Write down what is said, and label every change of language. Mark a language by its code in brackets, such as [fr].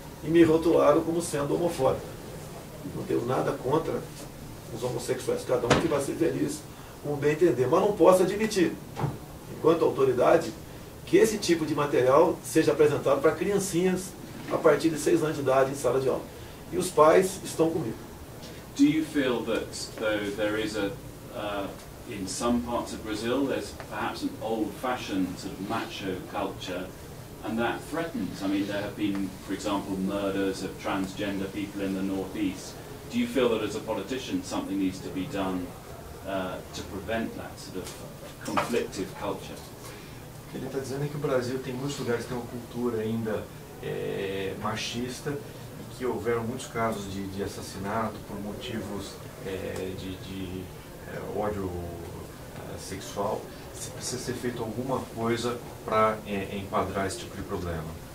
[pt] E me rotularam como sendo homofóbico. Não tenho nada contra os homossexuais. Cada um que vai ser feliz, como bem entender. Mas não posso admitir, enquanto autoridade, que esse tipo de material seja apresentado para criancinhas a partir de 6 anos de idade em sala de aula. E os pais estão comigo. [en] Do you feel that though there is a in some parts of Brazil there's perhaps an old-fashioned sort of macho culture and that threatens? I mean, there have been, for example, murders of transgender people in the Northeast. Do you feel that as a politician something needs to be done to prevent that sort of conflictive culture? [pt] Ele está dizendo que o Brasil tem muitos lugares que tem uma cultura ainda machista e que houveram muitos casos de assassinato por motivos de ódio sexual. Se precisa ser feito alguma coisa para enquadrar esse tipo de problema.